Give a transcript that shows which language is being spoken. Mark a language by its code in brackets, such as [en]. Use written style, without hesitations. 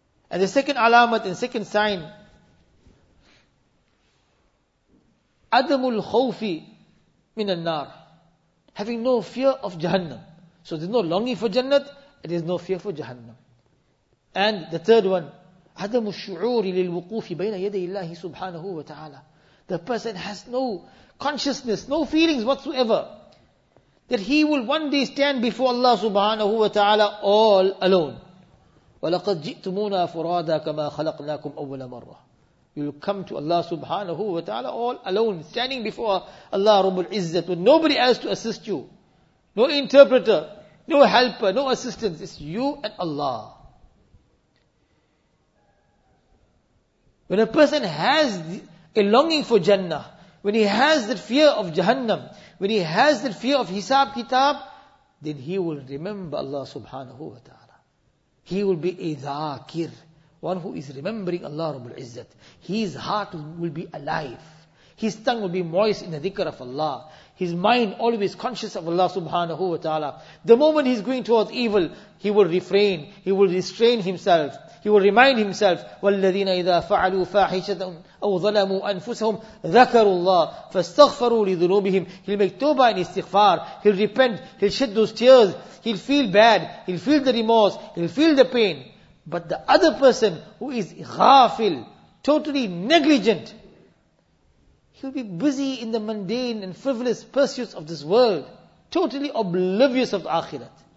[en] And the second alamat and second sign, adamul khawfi min an-nar, having no fear of Jahannam. So there's no longing for Jannat, and there's no fear for Jahannam. And the third one, [ar] عدم الشعور للوقوف بين يدي الله سبحانه وتعالى. [en] The person has no consciousness, no feelings whatsoever, that he will one day stand before Allah subhanahu wa ta'ala all alone. [ar] وَلَقَدْ جِئْتُمُونَا فُرَادَا كَمَا خَلَقْنَاكُمْ أَوَّلَ مَرَّةٍ. [en] You'll come to Allah subhanahu wa ta'ala all alone, standing before Allah Rabbul Izzat, with nobody else to assist you. No interpreter, no helper, no assistance. It's you and Allah. When a person has a longing for Jannah, when he has the fear of Jahannam, when he has the fear of Hisab Kitab, then he will remember Allah subhanahu wa ta'ala. He will be a dhakir, one who is remembering Allah Rabbul Izzat. His heart will be alive. His tongue will be moist in the dhikr of Allah. His mind always conscious of Allah subhanahu wa ta'ala. The moment he's going towards evil, he will refrain, he will restrain himself. He will remind himself, [ar] وَالَّذِينَ إِذَا فَعَلُوا فَاحِشَةً أَوْ ظَلَمُوا أَنفُسَهُمْ ذَكَرُوا اللَّهِ فَاسْتَغْفَرُوا لِذُنُوبِهِمْ. [en] He'll make tawbah and istighfar. He'll repent. He'll shed those tears. He'll feel bad. He'll feel the remorse. He'll feel the pain. But the other person who is ghafil, totally negligent, he'll be busy in the mundane and frivolous pursuits of this world, totally oblivious of the akhirat.